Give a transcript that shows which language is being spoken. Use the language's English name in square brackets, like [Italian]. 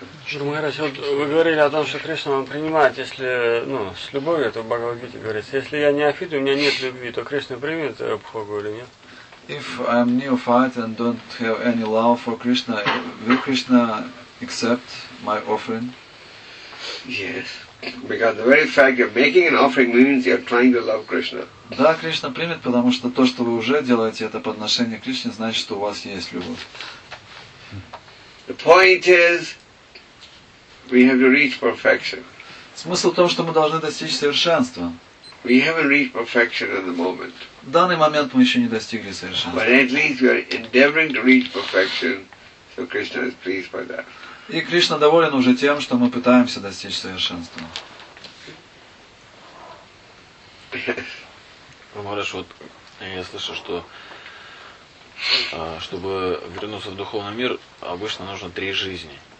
[Russian] Гурмахарадж, вот вы говорили о том, что Кришна вам принимает, если, ну, с любовью, это в Бхагавад-гите говорится, если я неофит, у меня нет любви, то Кришна примет обхогу или нет? [English] If I'm neophyte and don't have any love for Krishna, will Krishna accept my offering? Yes. Because the very fact you're making an offering means you're trying to love Krishna. [Russian] Да, Кришна примет, потому что то, что вы уже делаете, это подношение Кришне, значит, что у вас есть любовь. [English] The point is, we have to reach perfection. [Russian] Смысл в том, что мы должны достичь совершенства. [English] We haven't reached perfection at the moment. [Russian] В данный момент мы еще не достигли совершенства. [English] But at least we are endeavoring to reach perfection, so Krishna is pleased by that. [Russian] И Кришна доволен уже тем, что мы пытаемся достичь совершенства. Ну хорошо, вот я слышал, что чтобы вернуться в духовный мир, обычно нужно три жизни.